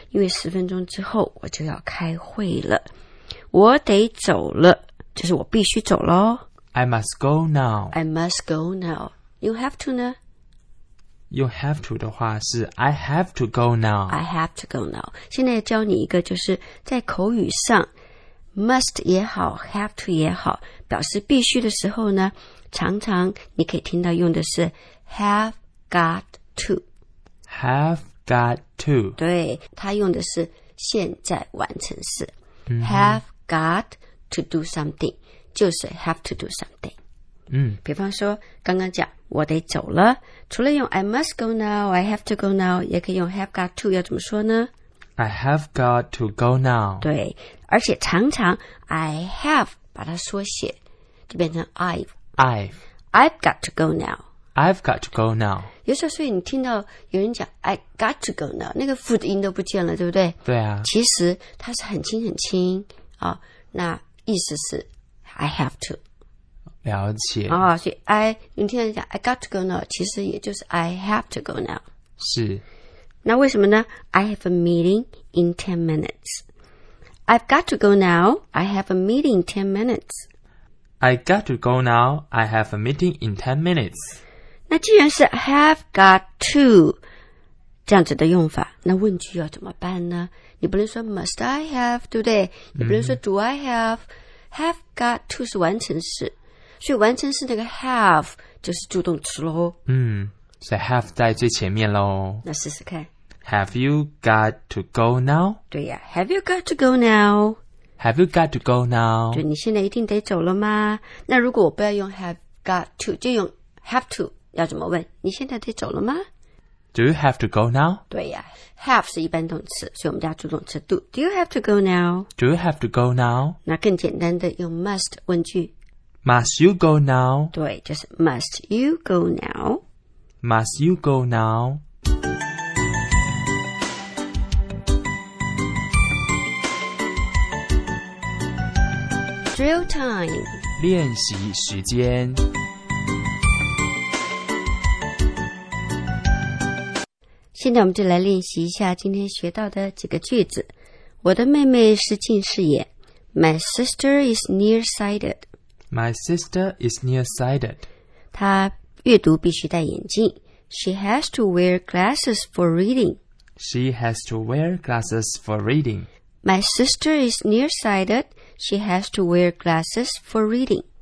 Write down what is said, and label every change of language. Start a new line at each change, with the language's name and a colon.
Chinese: 因为十分钟之后我就要开会了。我得走了，就是我必须走咯。
English: I must go now. I must go now. You have to 呢？ You have to 的话是 I have to go now. I have to go now.
Chinese: 现在教你一个就是在口语上 must 也好 have to 也好表示必须的时候呢常常你可以听到用的是 have got to.
English: Have got to.
Chinese: 对它用的是现在完成式、mm-hmm.
English: Have got to do something 就是 have to do something.
Chinese: 嗯比方说刚刚讲我得走了除了用
English: I must go now, I have to go now,
Chinese: 也可以用 have got to, 要怎么说呢
English: I have got to go now.
Chinese: 对而且常常 I have 把它缩写就变成
English: I've got to go now. I've got to go now.
Chinese: 有时候所以你听到有人讲
English: I got to go now,
Chinese: 那个 foot 音都不见了对不对对啊。其实它是很轻很轻、哦、那意思是 I have to. 了解、哦、所以 I 你听人讲
English: I got to go now
Chinese: 其实也就是
English: I have to go now
Chinese: 是那为什么呢
English: I have a meeting in 10 minutes I've got to go now I have a meeting in 10 minutes I got to go now I have a meeting in 10 minutes
Chinese: 那既然是 have got to 这样子的用法那问句要怎么办呢你不能说 must I have 对不对你不能说 do I have、嗯、have got to 是完成式所以完成式那个 have 就是助动词咯嗯所以 have 在最前面咯那试试看
English: Have you got to go now? 对呀 Have you got to go now? Have you got to go now?
Chinese: 对你现在一定得走了吗那如果我不要用 have got to 就用 have to 要怎么问你现在得走了吗
English: Do you have to go now?
Chinese: 对呀 Have 是一般动词所以我们加助动词
English: Do you have to go now? Do you have to go now?
Chinese: 那更简单的用 must 问句
English: Must you go now?
Chinese: 对，就是
English: must you go now? Must you go now? Drill time.
Chinese: 练习时间。现在我们就来练习一下今天学到的几个句子。我的妹妹是近视眼。
English: My sister is nearsighted. My sister is nearsighted.
Chinese: 她阅读必须戴眼镜。
English: She has to wear glasses for reading. She has to wear glasses for reading. My sister is nearsighted. She has to wear glasses for reading.